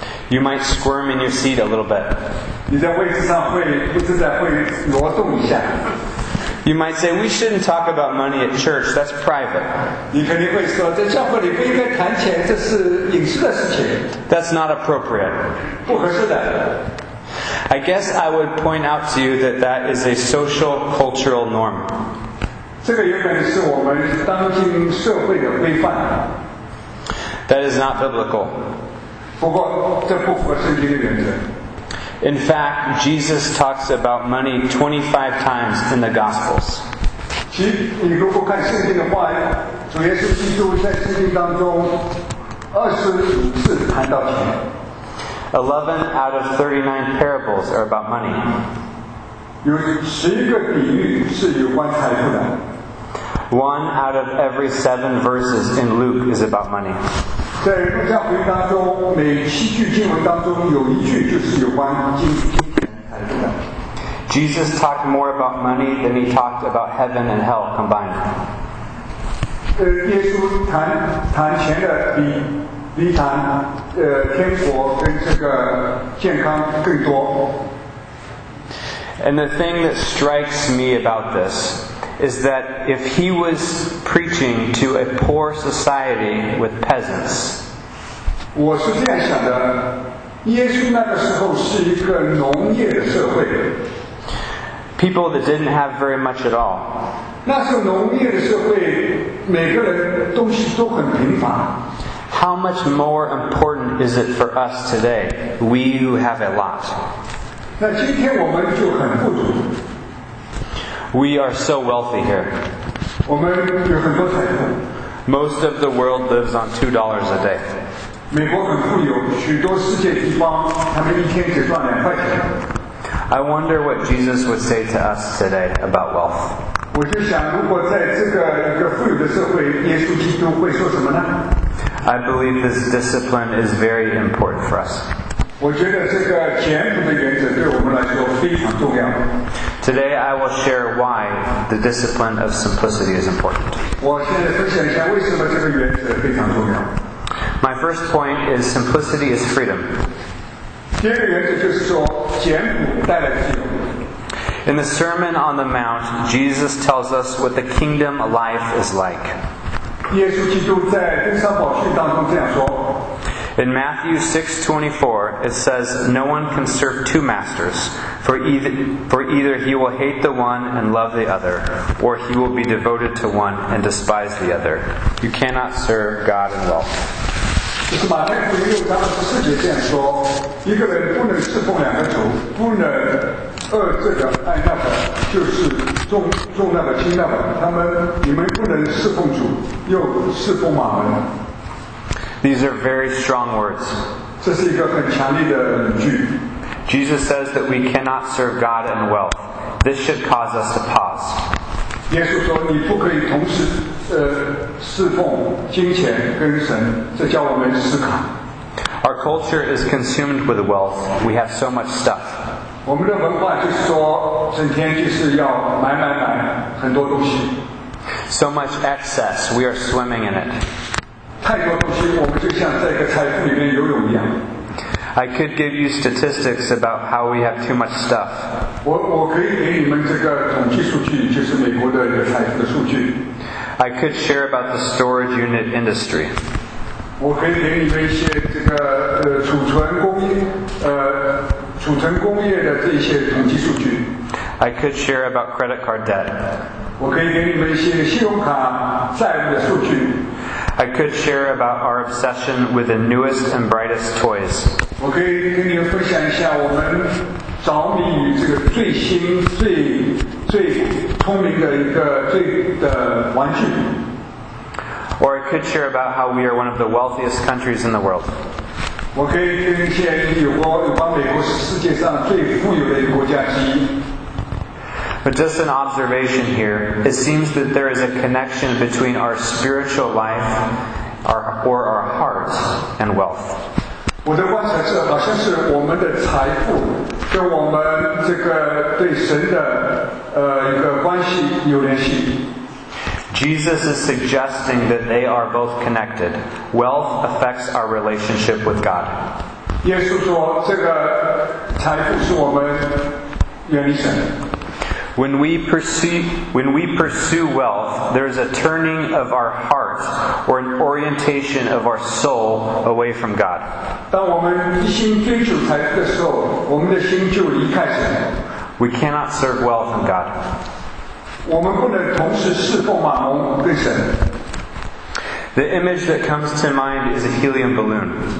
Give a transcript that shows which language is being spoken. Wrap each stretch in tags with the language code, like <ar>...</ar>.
<en>You might squirm in your seat a little bit.</en> <zh>你在位置上会不自在，会挪动一下。</zh> <en>You might say, we shouldn't talk about money at church, that's private.</en> <zh>你肯定会说，在教会里不应该谈钱，这是隐私的事情。</zh> <en>That's not appropriate.</en> <zh>不合适的。</zh> <en>I guess I would point out to you that that is a social cultural norm.</en> <zh>这个原本是我们当今社会的规范。</zh> <en>That is not biblical.</en> <zh>不过这不符合圣经的原则。</zh> <en>In fact, Jesus talks about money 25 times in the Gospels.</en> <zh>其实你如果看圣经的话，主耶稣基督在圣经当中25次谈到钱。</zh> <en>11 out of 39 parables are about money.</en> <zh>有11个比喻是有关财富的。</zh> <en>One out of every 7 verses in Luke is about money.</en> <zh>在路加福音当中，每七句经文当中有一句就是有关金钱财富的。</zh> <en>Jesus talked more about money than he talked about heaven and hell combined.</en> <zh>耶稣谈钱的比谈天国跟这个健康更多。</zh> <en>And the thing that strikes me about this. Is that if he was preaching to a poor society with peasants?</en> <zh>我是这样想的，耶稣那个时候是一个农业的社会。</zh> <en>People that didn't have very much at all.</en> <zh>那时候农业的社会，每个人东西都很贫乏。</zh> <en>How much more important is it for us today, we who have a lot?</en> <zh>那今天我们就很富足。</zh> <en>We are so wealthy here.</en> <zh>我们有很多财富。</zh> <en>Most of the world lives on $2 a day.</en> <zh>美国很富有，许多世界地方他们一天只赚2块钱。</zh> <en>I wonder what Jesus would say to us today about wealth.</en> <zh>我就想，如果在这个一个富有的社会，耶稣基督会说什么呢？</zh> <en>I believe this discipline is very important for us.</en> <zh>我觉得这个俭朴的原则对我们来说非常重要。</zh> <en>Today I will share why the discipline of simplicity is important.</en> <zh>我现在分享一下为什么这个原则非常重要。</zh> <en>My first point is simplicity is freedom.</en> <zh>第二个原则就是说简朴带来自由。</zh> <en>In the Sermon on the Mount, Jesus tells us what the kingdom life is like.</en> <zh>耶稣基督在登山宝训当中这样说。</zh> <en>In Matthew 6:24, it says, No one can serve two masters, for either he will hate the one and love the other, or he will be devoted to one and despise the other. You cannot serve God and wealth.</en> <zh>这是马太福音6:24这样说，一个人不能侍奉两个主，不能恶这个爱那个，就是重那个轻那个。你们不能侍奉主，又侍奉马门。</zh> <en>These are very strong words.</en> <zh>这是一个很强烈的语句。</zh> <en>Jesus says that we cannot serve God and wealth. This should cause us to pause.</en> <zh>耶稣说你不可以同时侍奉金钱跟神，这叫我们思考。</zh> <en>Our culture is consumed with wealth. We have so much stuff.</en> <zh>我们的文化就是说整天就是要买买买很多东西。</zh> <en>So much excess, we are swimming in it.</en> <zh>太多东西，我们就像在一个财富里面游泳一样。</zh> <en>I could give you statistics about how we have too much stuff.</en> <zh>我可以给你们这个统计数据，就是美国的一个财富的数据。</zh> <en>I could share about the storage unit industry.</en> <zh>我可以给你们一些这个储存工业的这些统计数据。</zh> <en>I could share about credit card debt.</en> <zh>我可以给你们一些信用卡债务的数据。</zh> <en>I could share about our obsession with the newest and brightest toys.</en> <zh>我可以跟你们分享一下我们着迷于这个最新、最聪明的一个最的玩具。</zh> <en>Or I could share about how we are one of the wealthiest countries in the world.</en> <zh>我可以跟一些有关美国是世界上最富有的一个国家之一。</zh> <en>But just an observation here, it seems that there is a connection between our spiritual life or our hearts and wealth.</en> <zh>我的观察是好像是我们的财富跟我们这个对神的一个关系有联系。</zh> <en>Jesus is suggesting that they are both connected. Wealth affects our relationship with God.</en> <zh>耶稣说这个财富是我们远离神。</zh> <en>When we pursue wealth, there is a turning of our heart or an orientation of our soul away from God.</en> <zh>当我们一心追求财富的时候，我们的心就离开神。</zh> <en>We cannot serve wealth and God.</en> <zh>我们不能同时侍奉马蒙跟神。</zh> <en>The image that comes to mind is a helium balloon.</en>